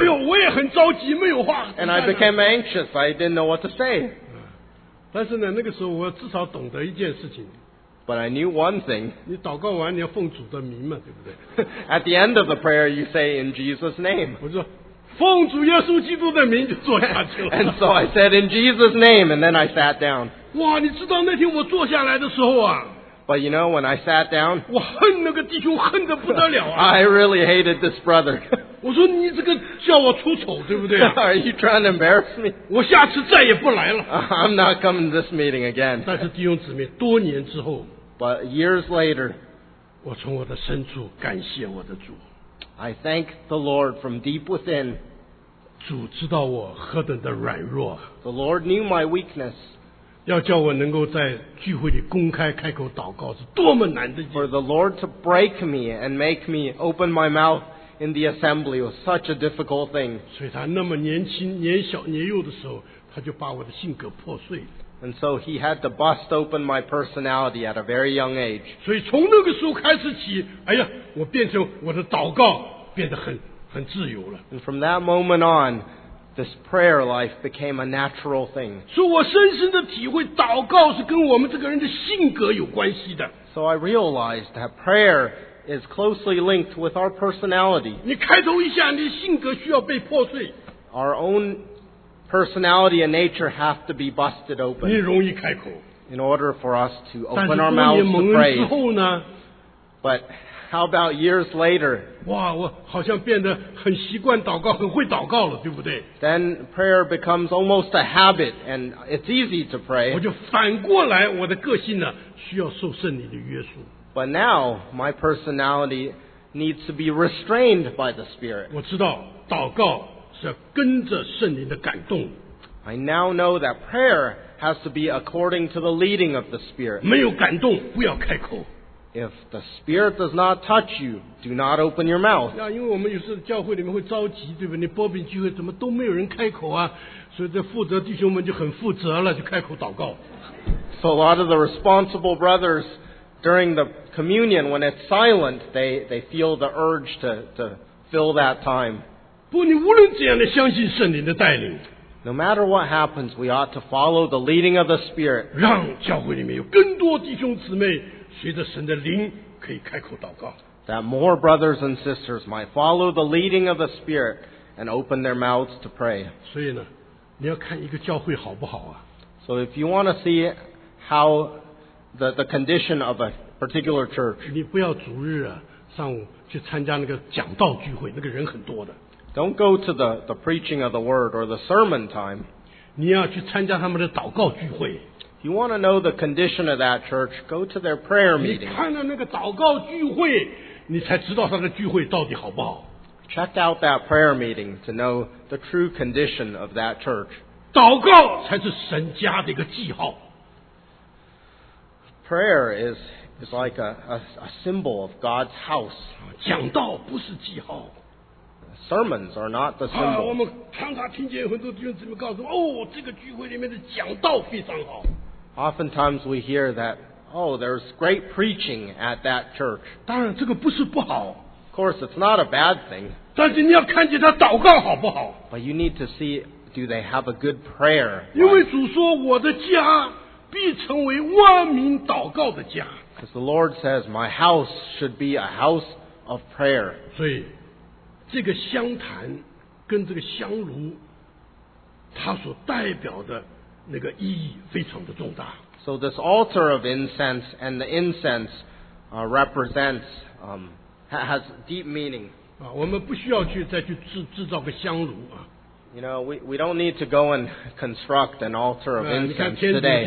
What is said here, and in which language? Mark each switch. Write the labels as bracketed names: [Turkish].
[Chinese] 哎呦，我也很着急，没有话。 [English] And I became anxious. I didn't know what to say. [Chinese] 但是呢，那个时候我至少懂得一件事情。 [English] But I knew one thing. [Chinese] 你祷告完，你要奉主的名嘛，对不对 [English] ？At the end of the prayer, you say in Jesus' name. [Chinese] 我说，奉主耶稣基督的名就坐下去了。 [English] And so I said in Jesus' name, and then I sat down. [Chinese] 哇，你知道那天我坐下来的时候啊。 [English] But you know, when I sat down, [Chinese] 我恨那个弟兄恨得不得了啊。 [English] I really hated this brother. [Chinese] 我说你这个叫我出丑对不对啊 [English] Are you trying to embarrass me? [Chinese] 我下次再也不来了。 [English] I'm not coming to this meeting again. [Chinese] 但是弟兄姊妹多年之后 [English] But years later, [Chinese] 我从我的深处感谢我的主。 [English] I thank the Lord from deep within. [Chinese] 主知道我何等的软弱。 [English] The Lord knew my weakness. [Chinese] 要叫我能够在聚会里公开开口祷告是多么难的一件事。 [English] For the Lord to break me and make me open my mouth in the assembly was such a difficult thing. [Chinese] 所以他那么年轻年小年幼的时候他就把我的性格破碎了。 [English] And so he had to bust open my personality at a very young age. [Chinese] 所以从那个时候开始起，哎呀，我变成我的祷告变得很自由了。 [English] And from that moment on, this prayer life became a natural thing. [Chinese] 所以我深深的体会，祷告是跟我们这个人的性格有关系的。 [English] So I realized that prayer is closely linked with our personality. [Chinese] 你开头一下，你的性格需要被破碎。 [English] Our own personality and nature have to be busted open. [Chinese] 你容易开口。 [English] In order for us to open our mouths to pray. [Chinese] 之后呢？ [English] But how about years later? [Chinese] 哇，我好像变得很习惯祷告，很会祷告了，对不对？ [English] Then prayer becomes almost a habit, and it's easy to pray. [Chinese] 我就反过来，我的个性呢，需要受圣灵的约束。 [English] But now, my personality needs to be restrained by the Spirit. [Chinese] 我知道祷告是跟着圣灵的感动。 [English] I now know that prayer has to be according to the leading of the Spirit. [Chinese] 没有感动，不要开口。 [English] If the Spirit does not touch you, do not open your mouth. [Chinese] 那因为我们有时候教会里面会着急，对吧？你波饼聚会怎么都没有人开口啊？所以这负责弟兄们就很负责了，就开口祷告。 [English] So a lot of the responsible brothers during the communion, when it's silent, they feel the urge to fill that time. [Chinese] 不，你无论怎样的相信圣灵的带领。 [English] No matter what happens, we ought to follow the leading of the Spirit. [Chinese] 让教会里面有更多弟兄姊妹随着神的灵可以开口祷告。 [English] That more brothers and sisters might follow the leading of the Spirit and open their mouths to pray. [Chinese] 所以呢，你要看一个教会好不好啊。 [English] So if you want to see how the condition of a particular church. [Chinese] 你不要主日啊，上午去参加那个讲道聚会，那个人很多的。 [English] Don't go to the preaching of the word or the sermon time. [Chinese] 你要去参加他们的祷告聚会。 [English] If you want to know the condition of that church, go to their prayer meeting. [Chinese] 你看到那个祷告聚会，你才知道他的聚会到底好不好。 [English] Check out that prayer meeting to know the true condition of that church. [Chinese] 祷告才是神家的一个记号。 [English] Prayer is like a symbol of God's house. [Chinese] 讲道不是记号。 [English] Sermons are not the symbol. [Chinese] 我们常常听见很多弟兄姊妹告诉我，哦，这个聚会里面的讲道非常好。 [English] Oftentimes we hear that, oh, there's great preaching at that church. [Chinese] 当然这个不是不好。 [English] Of course, it's not a bad thing. [Chinese] 但是你要看见他祷告好不好。 [English] But you need to see, do they have a good prayer? [Chinese] 因为主说我的家必成为万民祷告的家。 [English] Because the Lord says, my house should be a house of prayer. [Chinese] 所以这个香坛跟这个香炉它所代表的那个意义非常的重大。 [English] So this altar of incense and the incense represents, has deep meaning. [Chinese] 我们不需要再去制造个香炉啊。 [English] You know, we don't need to go and construct an altar of incense today.